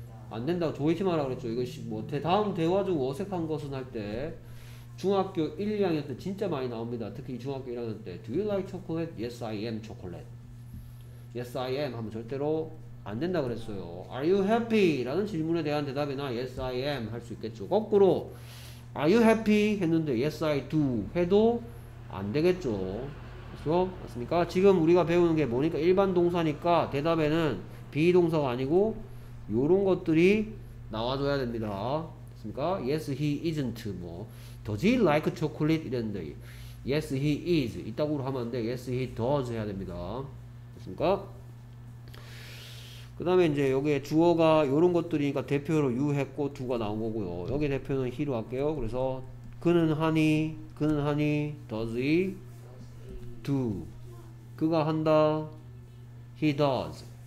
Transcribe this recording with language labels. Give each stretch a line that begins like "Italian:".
Korean: 안 된다고 조심하라 그랬죠. 이것이 뭐 다음 대화 중 어색한 것은 할때 중학교 1학년 때 진짜 많이 나옵니다. 특히 중학교 1학년 때
English: do you like chocolate? yes I am chocolate. yes I am
Korean: 하면 절대로 안 된다 그랬어요.
English: Are you happy?
Korean: 라는 질문에 대한 대답이나
English: Yes, I am
Korean: 할수 있겠죠.
English: 거꾸로 Are you happy?
Korean: 했는데
English: Yes, I do
Korean: 해도 안 되겠죠. 그렇죠? 맞습니까? 지금 우리가 배우는 게 뭐니까 일반 동사니까 대답에는 be 동사가 아니고 요런 것들이 나와줘야 됩니다. 맞습니까?
English: Yes, he isn't. 뭐, does he like chocolate?
Korean: 이랬는데,
English: yes, he is.
Korean: 이따구로 하면 안 돼.
English: Yes, he does
Korean: 해야 됩니다. 맞습니까? 그 다음에 이제 여기에 주어가 요런 것들이니까 대표로 you 했고 두가 나온 거고요. 여기 대표는 he로 할게요. 그래서 그는 하니,
English: does he, do.
Korean: 그가 한다,
English: he does.